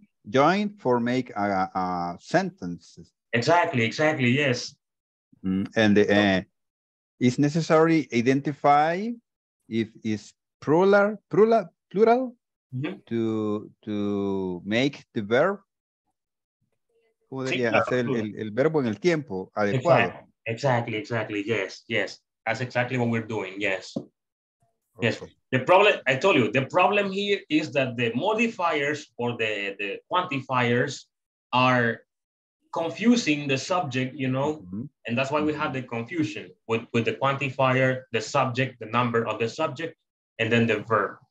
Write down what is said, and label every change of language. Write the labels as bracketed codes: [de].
[en] Join for make a sentence. Exactly, yes. And it's necessary identify if it's plural to make the verb. [es] ¿Cómo sí, diría? Claro, hacer el verbo en el tiempo adecuado. [en] Exactly, yes. That's exactly what we're doing, yes. Yes, the problem, I told you, the problem here is that the modifiers or the quantifiers are confusing the subject, you know, and that's why we have the confusion with the quantifier, the subject, the number of the subject, and then the verb.